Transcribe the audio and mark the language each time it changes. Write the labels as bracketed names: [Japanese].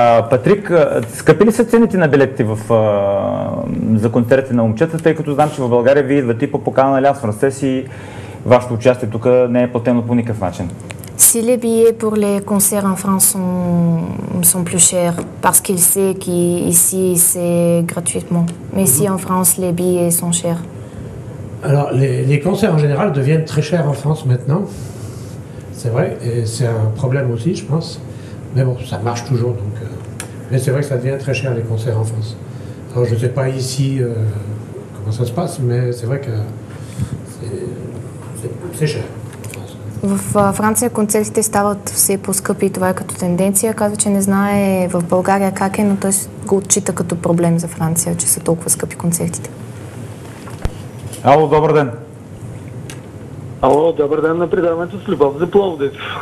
[Bulgarian] Патрик, скъпи ли са цените на билетите за концерти на момчетата, тъй като знам, че в България ви идвате по покана на Алианс Франсез и вашето участие тук не е платено по никакъв начин? [French] Si les billets pour les concerts en France sont plus chers, parce qu'ils savent qu'ici c'est gratuitement. Mais si en France les billets sont chers. Alors les concerts en général deviennent très chers en France maintenant. C'est vrai, et c'est un problème aussi, je pense. Mais bon, ça marche toujours. Mais c'est vrai que ça devient très cher les concerts en France. Alors je ne sais pas ici comment ça se passe, mais c'est vrai que c'est cher. [Bulgarian] В Франция концертите стават все по-скъпи и това е като тенденция. Казва, че не знае в България как е, но той го отчита като проблем за Франция, че са толкова скъпи концертите. Ало, добър ден! Ало, добър ден на предаването с Любов за Пловдив.